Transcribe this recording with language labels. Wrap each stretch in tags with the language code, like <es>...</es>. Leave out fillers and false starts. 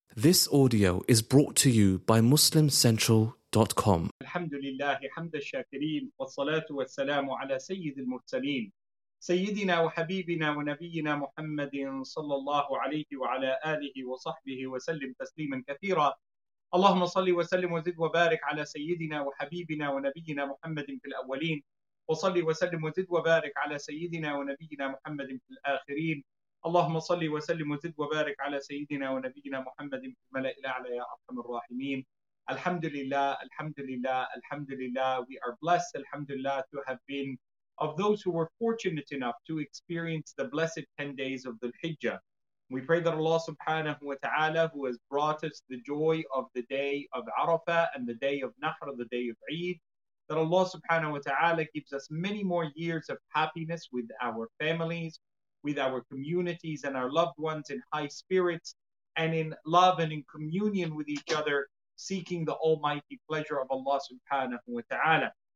<en>This audio is brought to you by MuslimCentral.com.</en> <ar>الحمد لله حمد الشاكرين والصلاة والسلام على سيد المرسلين سيدنا وحبيبنا ونبينا محمد صلى الله عليه وعلى آله وصحبه وسلم تسليما كثيرا. اللهم صل وسلم وزد وبارك على سيدنا وحبيبنا ونبينا محمد في الأولين، وصل وسلم وزد وبارك على سيدنا ونبينا محمد في الآخرين. اللهم صل وسلم وزد وبارك على سيدنا ونبينا محمد في الملأ الأعلى يا أرحم الراحمين. الحمد لله الحمد لله الحمد لله.</ar> <en>We are blessed</en> <ar>الحمد لله</ar> <en>to have been of those who were fortunate enough to experience the blessed 10 days of the Hijjah. We pray that Allah subhanahu wa ta'ala, who has brought us the joy of the day of Arafah and the day of Nahr, the day of Eid, that Allah subhanahu wa ta'ala gives us many more years of happiness with our families, with our communities and our loved ones in high spirits and in love and in communion with each other, seeking the almighty pleasure of Allah subhanahu wa ta'ala.</en>